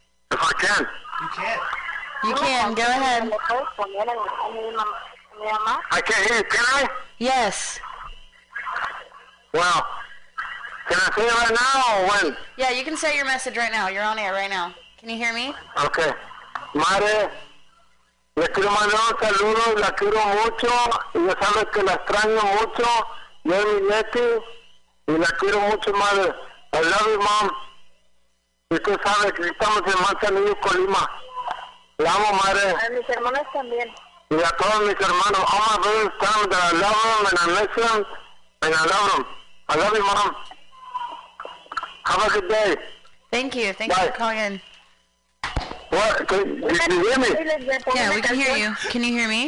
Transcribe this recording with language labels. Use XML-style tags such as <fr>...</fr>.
<en>If I can. You can. You can. Go ahead. I can't hear you. Can I? Yes. Well, can I say it right now or when? Yeah, you can say your message right now. You're on air right now. Can you hear me? Okay.</en> <es>Madre, le quiero mandar un saludo, la quiero mucho, y ya sabes que la extraño mucho, yo y mi nieto, y la quiero mucho, madre.</es> <en>I love you, mom.</en> <es>Y tú sabes que estamos en Manzanillo, Colima. La amo, madre. A mis hermanas también. Y a todos mis hermanos.</es> <en>All my brothers tell them that I love them, and I miss them, and I love them. I love you, mom. Have a good day. Thank you. Thank you for calling in. What? Can you hear me? Yeah, we can hear you. Can you hear me?</en>